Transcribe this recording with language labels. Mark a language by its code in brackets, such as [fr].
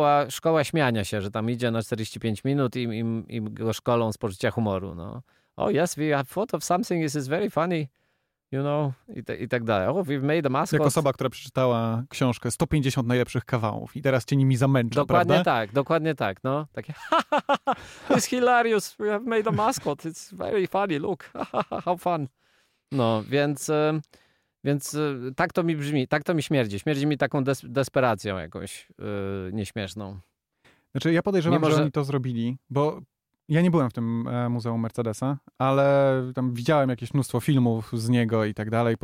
[pl] Szkoła śmiania się, że tam idzie na 45 minut i go szkolą z poczucia humoru, no. [en] Oh yes, we have thought of something, this is very funny, you know, [pl] i tak dalej. [en] Oh, we've made a mascot. [pl] Jak osoba, która przeczytała książkę 150 najlepszych kawałów i teraz cię nimi zamęczę, prawda? Dokładnie tak, no. Takie, [en] it's hilarious, we have made a mascot, it's very funny, look, how fun. [pl] No, więc... Więc tak to mi brzmi, tak to mi śmierdzi. Śmierdzi mi taką desperacją jakąś nieśmieszną. Znaczy ja podejrzewam, mimo, że oni to zrobili, bo ja nie byłem w tym Muzeum Mercedesa, ale tam widziałem jakieś mnóstwo filmów z niego i tak dalej.